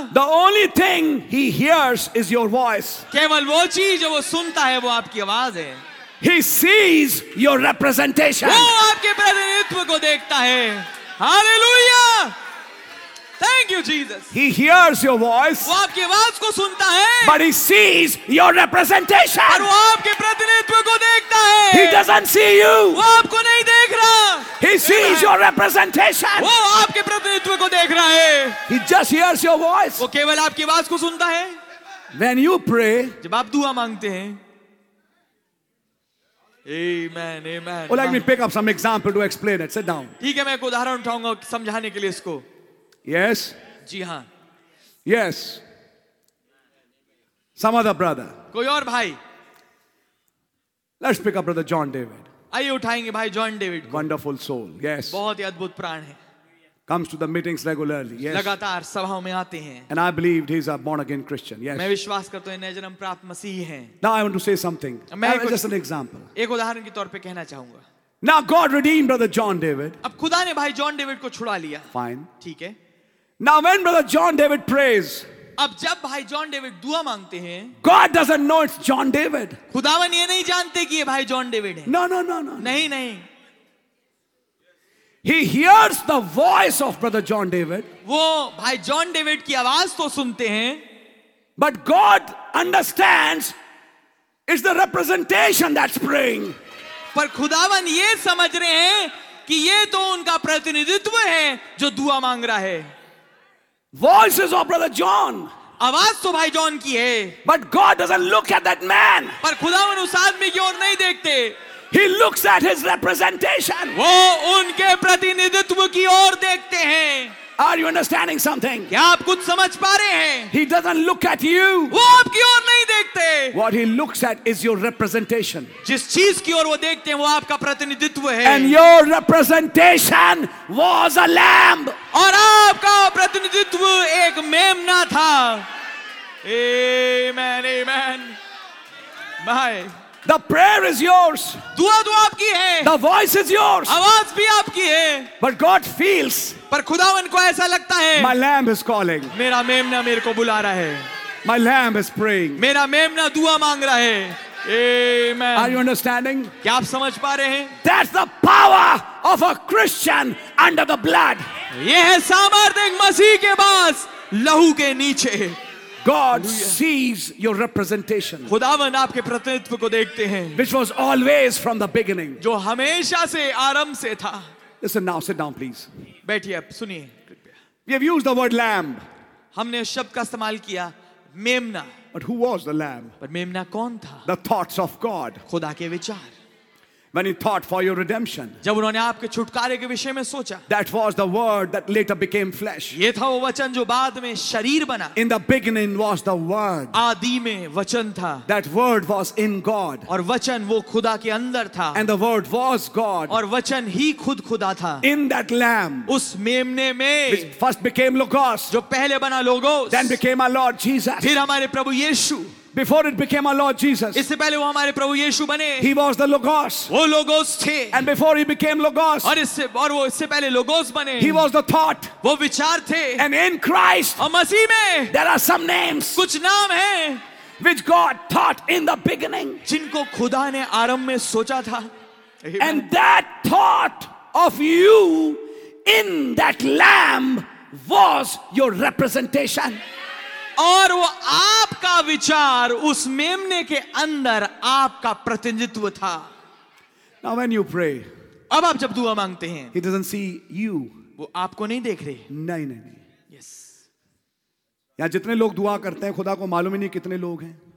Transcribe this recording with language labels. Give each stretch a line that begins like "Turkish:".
English: The only thing he hears is your voice.
Hindi: केवल वो चीज जो वो सुनता है वो आपकी आवाज है.
English: He sees your representation.
Hindi: वो आपके प्रतिनिधित्व को देखता है.
English: Hallelujah. Thank you, Jesus. He hears your voice.
Hindi: वो आपकी आवाज को सुनता है.
English: But he sees your representation.
Hindi: और वो आपके प्रतिनिधित्व को देखता है.
English: He doesn't see you.
Hindi: वो आपको नहीं देख रहा.
English: He sees your representation.
Hindi: वो आपके प्रतिनिधित्व को देख रहा है.
English: He just hears your voice.
Hindi: वो केवल आपकी आवाज को सुनता है.
English: When you pray.
Hindi: जब आप दुआ मांगते हैं.
English: Amen, amen. Well, let me pick up some example to explain it. Sit down.
Hindi: ठीक है, मैं एक उदाहरण उठाऊंगा समझाने के लिए इसको.
English: Yes.
Hindi: जी हाँ.
English: Yes. Some other brother.
Hindi: कोई और भाई.
English: Let's pick up brother John David.
Hindi: आइए उठाएंगे भाई John David.
English: Wonderful soul. Yes.
Hindi: बहुत ही अद्भुत प्राण है.
English: Comes to the meetings regularly. Yes.
Hindi: लगातार सभाओं में आते हैं.
English: And I believe he's a born again Christian. Yes.
Hindi: मैं विश्वास करता हूँ नए जन्म प्राप्त मसीही हैं.
English: Now I want to say something.
Hindi: मैं
English: just an example.
Hindi: एक उदाहरण के तौर पे कहना चाहूँगा.
English: Now God redeemed brother John David.
Hindi: अब खुदा ने भाई John David को छुड़ा लिया.
English: Fine.
Hindi: ठीक है.
English: Now when brother John David prays.
Hindi: अब जब भाई John David दुआ मांगते हैं.
English: God doesn't know it's John David.
Hindi: खुदावन ये नहीं जानते कि ये भाई John David है.
English: No.
Hindi: नहीं नहीं.
English: He hears the voice of brother John David.
Hindi: वो भाई John David की आवाज तो सुनते हैं.
English: But God understands it's the representation that's praying.
Hindi: पर खुदावन ये समझ रहे हैं कि ये तो उनका प्रतिनिधित्व है जो दुआ मांग रहा है.
English: Voices of brother John.
Hindi: आवाज तो भाई John की है.
English: But God doesn't look at that man.
Hindi: पर खुदावन उस आदमी की ओर नहीं देखते.
English: He looks at his representation.
Hindi: वो उनके प्रतिनिधित्व की ओर देखते हैं.
English: Are you understanding something?
Hindi: क्या आप कुछ समझ पा रहे हैं?
English: He doesn't look at you.
Hindi: वो आपकी ओर नहीं देखते.
English: What he looks at is your representation.
Hindi: जिस चीज की ओर वो देखते हैं वो आपका प्रतिनिधित्व है.
English: And your representation was a lamb.
Hindi: और आपका प्रतिनिधित्व एक मेमना था.
English: Amen, amen. My. The prayer is yours.
Hindi: दुआ दुआ आपकी है.
English: The voice is yours.
Hindi: आवाज भी आपकी है.
English: But God feels.
Hindi: पर खुदावन को ऐसा लगता है.
English: My lamb is calling.
Hindi: मेरा मेमना मेरे को बुला रहा है.
English: My lamb is praying.
Hindi: मेरा मेमना दुआ मांग रहा है.
English: Amen. Are you understanding?
Hindi: क्या आप समझ पा रहे हैं?
English: That's the power of a Christian under the blood.
Hindi: ये है सामर्थ्य मसीह के पास लहू के नीचे.
English: God sees your representation.
Hindi: खुदावन आपके प्रतिनिधित्व को देखते हैं.
English: Which was always from the beginning.
Hindi: जो हमेशा से आरंभ से था.
English: Listen now, sit down please.
Hindi: बैठिए अब सुनिए.
English: We have used the word lamb.
Hindi: हमने शब्द का इस्तेमाल किया मेमना.
English: But who was the lamb?
Hindi: पर मेमना कौन था?
English: The thoughts of God.
Hindi: खुदा के विचार.
English: When he thought for your redemption.
Hindi: जब उन्होंने आपके छुटकारे के विषय में सोचा.
English: That was the word that later became flesh.
Hindi: ये था वो वचन जो बाद में शरीर बना.
English: In the beginning was the word.
Hindi: आदि में वचन था.
English: That word was in God.
Hindi: और वचन वो खुदा के अंदर था.
English: And the word was God.
Hindi: और वचन ही खुद खुदा था.
English: In that lamb.
Hindi: उस मेमने में.
English: Which first became logos.
Hindi: जो पहले बना logos.
English: Then became our Lord Jesus.
Hindi: फिर हमारे प्रभु यीशु.
English: Before it became our Lord Jesus.
Hindi: इससे पहले वो हमारे प्रभु यीशु बने.
English: He was the Logos.
Hindi: वो लोगोस थे.
English: And before he became Logos.
Hindi: और वो इससे पहले लोगोस बने.
English: He was the thought.
Hindi: वो विचार थे.
English: And in Christ.
Hindi: और मसीह में.
English: There are some names.
Hindi: कुछ नाम हैं.
English: Which God thought in the beginning.
Hindi: जिनको खुदा ने आरंभ में सोचा था.
English: And that thought of you in that lamb was your representation.
Hindi: और वो आपका विचार उस मेमने के अंदर आपका प्रतिनिधित्व था.
English: Now when you pray,
Hindi: अब आप जब दुआ मांगते हैं,
English: he doesn't see you.
Hindi: वो आपको नहीं देख रहे. नहीं नहीं नहीं.
English: Yes.
Hindi: या जितने लोग दुआ करते हैं खुदा को मालूम ही नहीं कितने लोग हैं.